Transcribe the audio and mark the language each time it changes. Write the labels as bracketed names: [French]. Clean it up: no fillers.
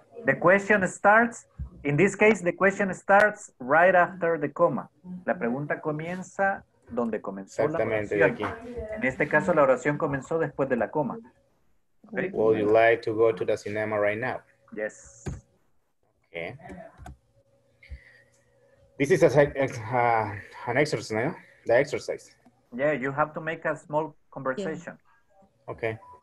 [English] The question starts, in this case, the question starts right after the comma. [Spanish] La pregunta comienza donde comenzó la oración. Exactamente, de aquí. En este caso, la oración comenzó después de la coma. [English] Okay. Would you like to go to the cinema right now? Yes. Okay. This is an exercise, no? The exercise. Yeah, you have to make a small conversation. Yeah. Okay.